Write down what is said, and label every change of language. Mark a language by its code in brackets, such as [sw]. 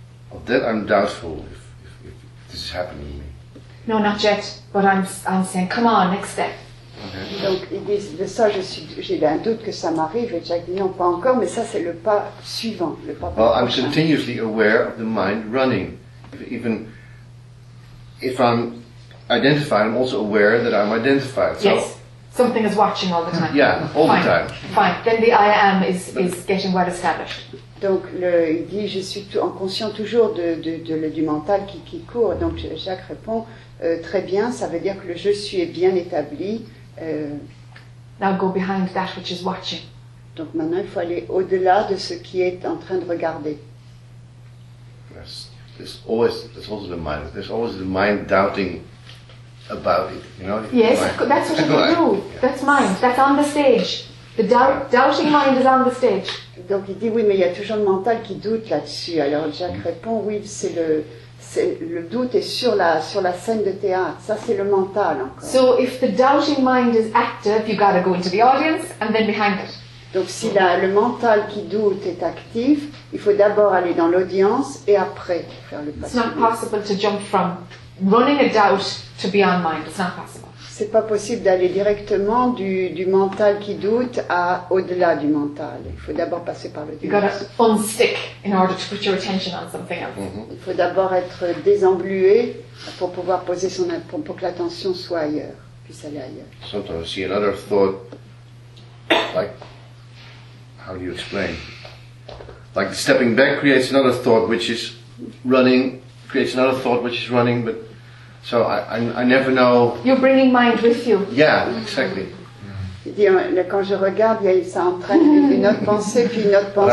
[en] Of that I'm doubtful if this is happening to me. No, not yet. But I'm saying, come on, next step. Okay. [fr] Donc il dit de ça, j'ai un doute que ça m'arrive. Et Jack dit non, pas encore, mais ça c'est le pas suivant, le pas. [en] Well, I'm continuously aware of the mind running, even. If I'm identified, I'm also aware that I'm identified. So yes, something is watching all the time. Yeah, all fine. The time. Fine, then the I am is getting well established. [fr] Donc, il dit, je suis en conscient toujours du mental qui court. Donc, Jacques répond, très bien, ça veut dire que le je suis est bien établi. [en] Now go behind that which is watching. [fr] Donc, maintenant, il faut aller au-delà de ce qui est en train de regarder. [en] Yes. There's always the mind doubting about it, you know? Yes, that's what it will do. Yeah. That's mind. That's on the stage. The doubting mind is on the stage. [fr] Donc il dit oui, mais il y a toujours le mental qui doute là-dessus. Alors Jacques répond oui, c'est le doute est sur la scène de théâtre. Ça c'est le mental encore. [en] So if the doubting mind is active, you got to go into the audience and then behind it. [fr] Donc si le mental qui doute est actif, il faut d'abord aller dans l'audience et après faire le pas. [en] It's not possible to jump from running a doubt to beyond mind. It's not possible. [fr] C'est pas possible d'aller directement du mental qui doute à au-delà du mental. Il faut d'abord passer par le [en] doute. You've got to unstick in order to put your attention on something else. Mm-hmm. [fr] Il faut d'abord être désenglué pour pouvoir poser pour que l'attention soit ailleurs, puisse aller ailleurs. [en] Sometimes I see another thought, like. How do you explain? Like stepping back creates another thought which is running, but so I never know. You're bringing mind with you. Yeah, exactly. Yeah. [fr] Quand je regarde, il y a ça en train de une autre pensée, puis une autre pensée.